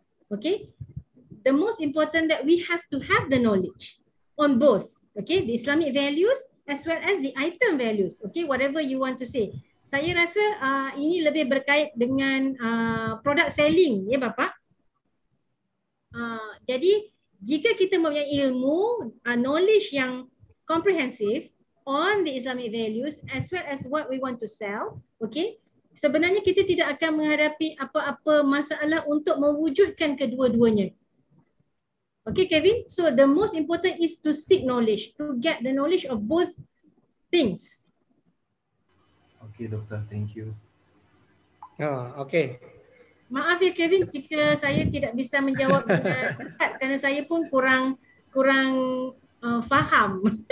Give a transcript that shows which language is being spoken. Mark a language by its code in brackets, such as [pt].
[en] Okay, the most important that we have to have the knowledge on both, okay, the Islamic values as well as the item values, okay, whatever you want to say. [ms] Saya rasa ini lebih berkait dengan product selling, ya Bapak. Jadi jika kita mempunyai ilmu, knowledge yang [en] comprehensive on the Islamic values as well as what we want to sell, [ms] okay, sebenarnya kita tidak akan menghadapi apa-apa masalah untuk mewujudkan kedua-duanya. Okay, Kevin? [en] So the most important is to seek knowledge, to get the knowledge of both things. Okay, doktor, thank you. Oh, okay. [ms] Maaf ya Kevin, jika saya tidak bisa menjawab dengan tepat, kerana saya pun kurang faham.